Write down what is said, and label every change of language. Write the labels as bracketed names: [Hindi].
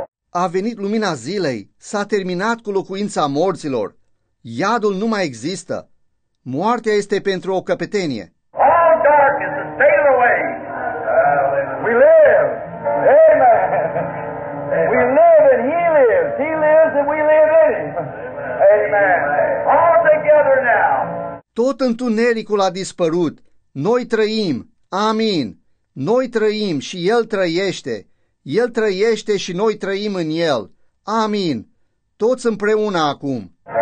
[Romanian] A venit lumina zilei, s-a terminat cu locuința morților. Iadul nu mai există. Moartea este pentru o căpetenie. [English] All darkness is fading away. We live. Amen. We live and he lives. He lives and we live in him. Amen. All together now. [Romanian] Tot întunericul a dispărut. Noi trăim. Amin. Noi trăim și El trăiește. El trăiește și noi trăim în El. Amin. Toți împreună acum.